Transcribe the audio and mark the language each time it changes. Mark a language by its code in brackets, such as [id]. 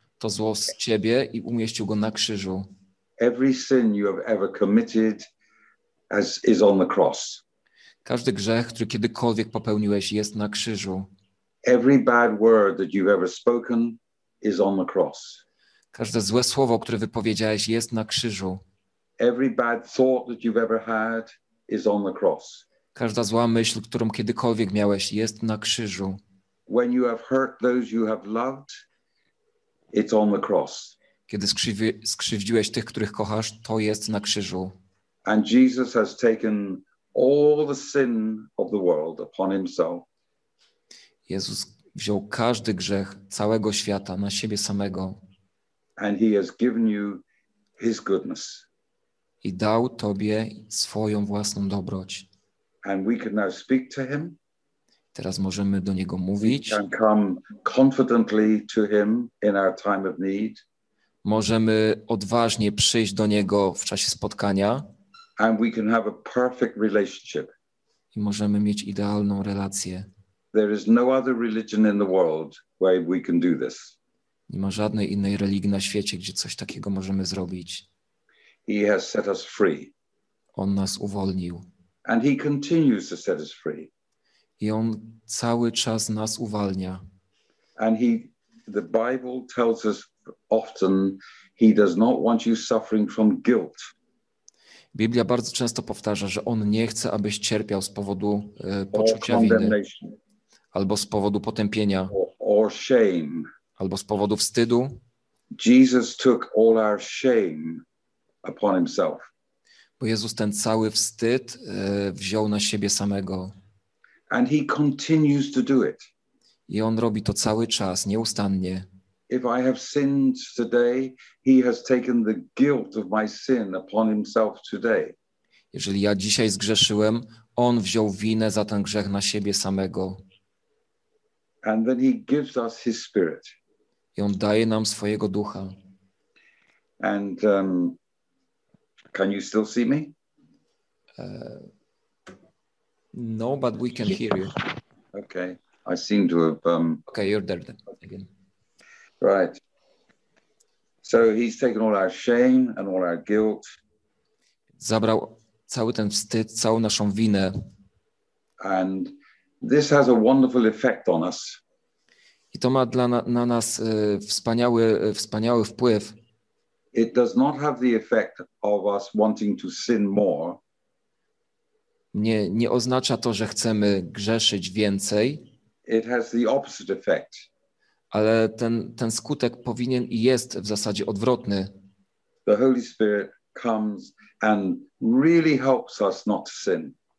[pl] To zło z ciebie i umieścił go na krzyżu. [en] Every sin you have ever committed is on the cross. [pl] Każdy grzech, który kiedykolwiek popełniłeś, jest na krzyżu. [en] Every bad word that you've ever spoken is on the cross. [pl] Każde złe słowo, które wypowiedziałeś, jest na krzyżu. [en] Every bad thought that you've ever had is on the cross. [pl] Każda zła myśl, którą kiedykolwiek miałeś, jest na krzyżu. [en] When you have hurt those you have loved, it's on the cross. [pl] Kiedy skrzywdziłeś tych, których kochasz, to jest na krzyżu. [en] And Jesus has taken all the sin of the world upon himself. [pl] Jezus wziął każdy grzech całego świata na siebie samego. [en] And he has given you his goodness. [pl] I dał tobie swoją własną dobroć. [en] And we can now speak to him. [pl] Teraz możemy do niego mówić. [en] We can come confidently to him in our time of need. [pl] Możemy odważnie przyjść do niego w czasie spotkania. [en] And we can have a perfect relationship. [pl] I możemy mieć idealną relację. [en] There is no other religion in the world where we can do this. [pl] Nie ma żadnej innej religii na świecie, gdzie coś takiego możemy zrobić. [en] He has set us free. [pl] On nas uwolnił. [en] And he continues to set us free. [pl] I on cały czas nas uwalnia. [en] And the Bible tells us often he does not want you suffering from guilt. [pl] Biblia bardzo często powtarza, że on nie chce, abyś cierpiał z powodu poczucia winy albo z powodu potępienia [en] or shame. [pl] Albo z powodu wstydu. [en] Jesus took all our shame upon himself. [pl] Bo Jezus ten cały wstyd wziął na siebie samego. [en] And he continues to do it. [pl] I on robi to cały czas, nieustannie. [en] If I have sinned today, he has taken the guilt of my sin upon himself today. [pl] Jeżeli ja dzisiaj zgrzeszyłem, On wziął winę za ten grzech na siebie samego. [en] And then he gives us his spirit. [pl] I On daje nam swojego ducha. [en] And can you still see me? No, but we can hear you. Okay, I seem to have... Okay, you're there then, again. Right. So he's taken all our shame and all our guilt. [pl] Zabrał cały ten wstyd, całą naszą winę. [en] And this has a wonderful effect on us. [pl] I to ma dla na nas wspaniały wpływ. [en] It does not have the effect of us wanting to sin more. [pl] Nie oznacza to, że chcemy grzeszyć więcej. [en] It has the opposite effect. [pl] Ale ten skutek powinien i jest w zasadzie odwrotny. [en] The Holy Spirit comes and really helps us not to sin.